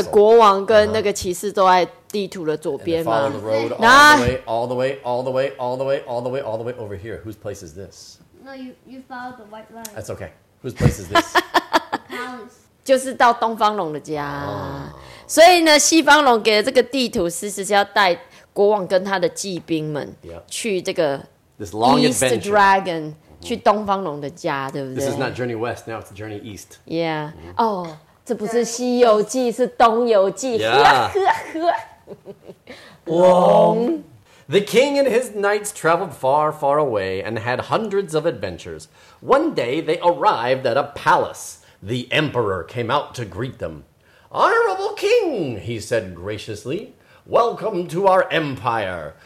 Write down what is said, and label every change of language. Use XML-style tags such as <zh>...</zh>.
<zh>所以国王跟那个骑士都在地图的左边嘛。</zh> <en>Follow the road all the way over here. Whose place is this? No, you follow the white line. That's okay. Whose place is this? House.</en> <zh>就是到东方龙的家。所以呢，西方龙给的这个地图，其实是要带国王跟他的骑兵们去这个</zh> <en>this long adventure.</en> <zh>East Dragon 去东方龙的家，对不对</zh> <en>？This is not Journey West. Now it's Journey East. Yeah. Oh.</en> <zh>这不是西游记，是东游记。</zh> <en>Yeah.</en> <zh>龙。</zh> <en>The king and his knights traveled far, far away and had hundreds of adventures. One day they arrived at a palace. The emperor came out to greet them. Honorable king, he said graciously, welcome to our empire.</en>